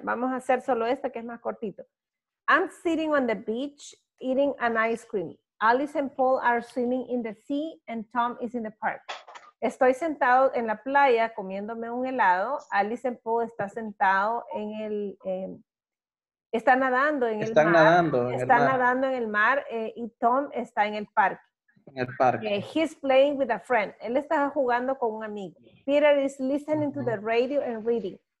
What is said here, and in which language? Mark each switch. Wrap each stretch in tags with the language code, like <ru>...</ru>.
<es>Vamos a hacer solo este que es más cortito.</es> <en>I'm sitting on the beach eating an ice cream. Alice and Paul are swimming in the sea and Tom is in the park.</en> <es>Estoy sentado en la playa comiéndome un helado. Alice and Paul está sentado en el... Está nadando en el mar. Está nadando en el mar y Tom está en el parque. en el parque.</es> <en>Okay. He's playing with a friend.</en> <es>Él está jugando con un amigo.</es> <en>Peter is listening to the radio and reading.</en>